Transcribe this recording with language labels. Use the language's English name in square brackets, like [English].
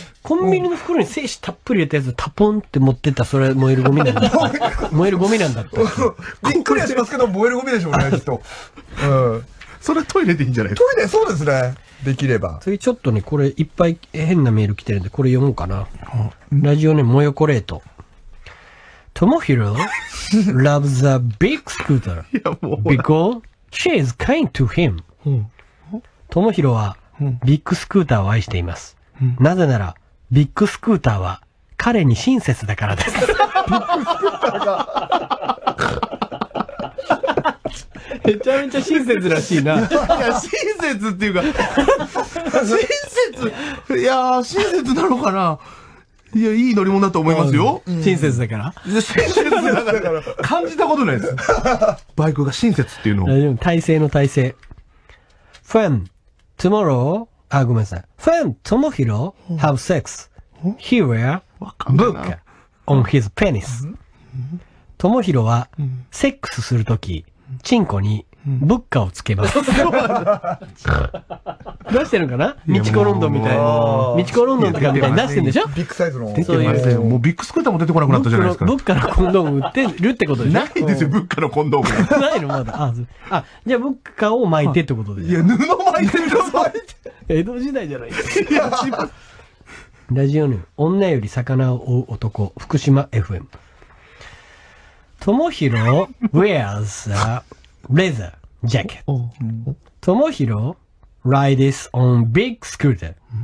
[Japanese] コンビニの袋に精子たっぷり入れたやつタポンって持ってった、それ燃えるゴミなんだ。燃えるゴミなんだって。びっくりはしますけど、燃えるゴミでしょうね、きっと。うん。それトイレでいいんじゃないですか。トイレ、そうですね。できれば。次ちょっとね、これいっぱい変なメール来てるんで、これ読もうかな。ラジオネーム、モヨコレート。トモヒロ [English] loves a big scooter because she is kind to him。 [Japanese] トモヒロはビッグスクーターを愛しています。なぜなら、ビッグスクーターは彼に親切だからです。ビッグスクーターが。めちゃめちゃ親切らしいな。いや、親切っていうか、親切、いや、親切なのかな。いや、いい乗り物だと思いますよ。うん、親切だから。親切だから、感じたことないです。バイクが親切っていうのを。大丈夫、体勢の体勢。 [English] Friend, tomorrow, [Japanese] あ、ごめんなさい。 [English] Friend, Tomohiro, have sex. He wear book on his penis. [Japanese] Tomohiro は、セックスするとき、チンコにブッカをつけます。出してるのかな？ミチコロンドンみたいな。ミチコロンドンとかみたいに出してるんでしょ？ビッグサイズの。出てますよ。もうビッグスクーターも出てこなくなったじゃないですか。ブッカのコンドーム売ってるってことでしょ？ないですよ、ブッカのコンドーム。ないの、まだ。あ、じゃあブッカを巻いてってことでしょ？いや、布巻いてるぞ。江戸時代じゃないですか。ラジオネーム、女より魚を追う男、福島 FM。 [English] トモヒロ wears a leather jacket. トモヒロ rides on big scooter.